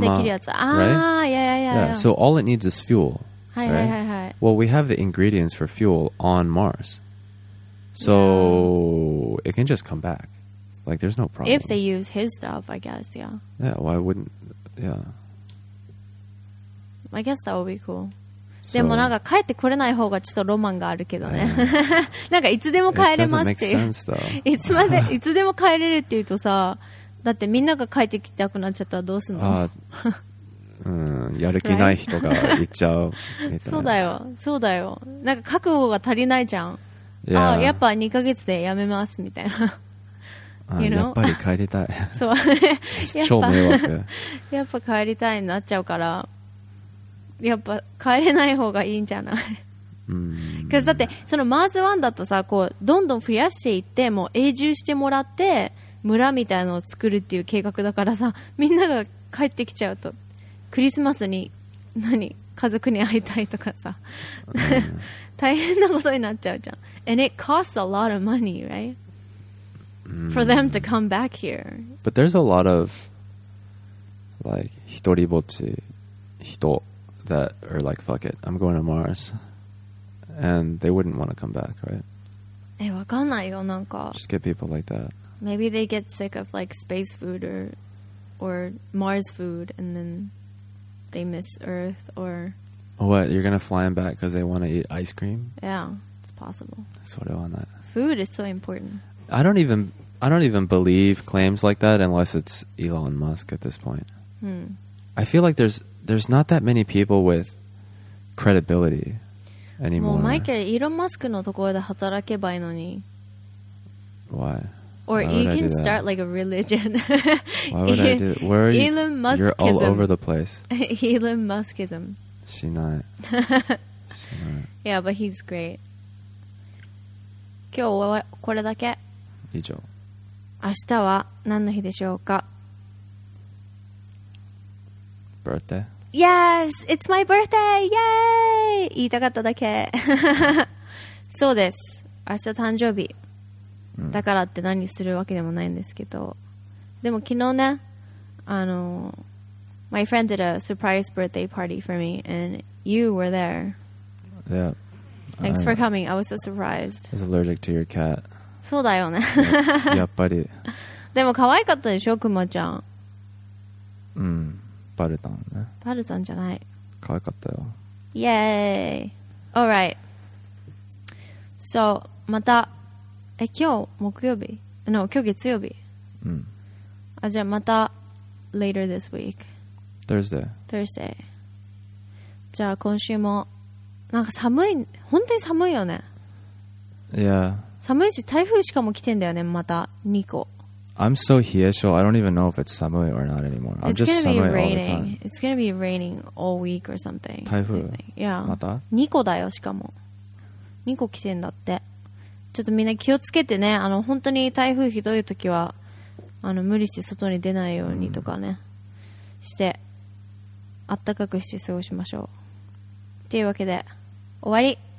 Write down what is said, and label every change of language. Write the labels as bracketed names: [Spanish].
[Japanese] できるやつ。 [English] Yeah. So all it needs is fuel. [Japanese] はい。 [English] Well, we have the ingredients for fuel on Mars. So it can just come back. Like, there's no problem. If they use his stuff, I guess, yeah. Yeah, why wouldn't... Yeah. I guess that would be cool. [Japanese] でもなんか帰ってこれない方がちょっとロマンがあるけどね、 [English] yeah. [Japanese] なんかいつでも帰れますっていう [English] It doesn't make sense, though. [Japanese] いつまでいつでも帰れるっていうとさ、だってみんなが帰ってきたくなっちゃったらどうすんの、やる気ない人が行っちゃうみたいなそうだよなんか覚悟が足りないじゃん、 [English] yeah. [Japanese] あ、やっぱ2ヶ月でやめますみたいな [English] you know? [Japanese] やっぱり帰りたい。そう。超迷惑。やっぱ帰りたいになっちゃうから、やっぱ帰れない方がいいんじゃない。だってそのマーズ1だとさ、こうどんどん増やしていって、もう永住してもらって村みたいなのを作るっていう計画だからさ、みんなが帰ってきちゃうとクリスマスに何家族に会いたいとかさ、大変なことになっちゃうじゃん。 [English] And it costs a lot of money, right? For them to come back here. But there's a lot of like [Japanese] 一人ぼっち人 [English] that are like, fuck it, I'm going to Mars. And they wouldn't want to come back, right? [Japanese] え、わかんないよ、なんか。 [English] Just get people like that. Maybe they get sick of like space food or Mars food, and then they miss Earth or. What? You're gonna fly them back because they want to eat ice cream? Yeah, it's possible. [Japanese] それはない。 [English] Food is so important. I don't even believe claims like that unless it's Elon Musk at this point. I feel like there's not that many people with credibility. Anymore. [Japanese] もうマイケル、イーロン・マスクのところで働けばいいのに。 [English] Why? Or Why you can start like a religion. Why would I do it? Where are you? Elon Muskism. You're all over the place. Elon Muskism. [Japanese] しない。しない。 [English] Yeah, but he's great. [Japanese] 今日はこれだけ。以上。明日は何の日でしょうか? [English] Birthday? Yes, it's my birthday! Yay! [Japanese] 言いたかっただけ。そうです。明日誕生日。だからって何するわけでもないんですけど。でも昨日ね、 [English] my friend did a surprise birthday party for me, and you were there. Yeah. Thanks for coming. I was so surprised. I was allergic to your cat. [Japanese] そうだよね。やっぱり。でも可愛かったでしょ、クマちゃん。バルタンね。バルタンじゃない。可愛かったよ。イエーイ。 [English] All right. So, [Japanese] また、今日木曜日 ? [English] No, [Japanese] 今日月曜日。うん。あ、じゃあまた、 [English] later this week。 Thursday。 Thursday。 [Japanese] じゃあ今週も、なんか寒い、本当に寒いよね。 [English] Yeah。 [Japanese] 寒いし、台風しかも来てんだよね、また、2個。 [English] I'm so hiesho, I don't even know if it's samui or not anymore. I'm just samui all the time. It's gonna be raining all week or something. [Japanese] 台風? [English] Yeah. [Japanese] また? 2個だよ、しかも。2個来てんだって。ちょっとみんな気をつけてね。本当に台風ひどい時は、無理して外に出ないようにとかね。して、あったかくして過ごしましょう。っていうわけで、終わり。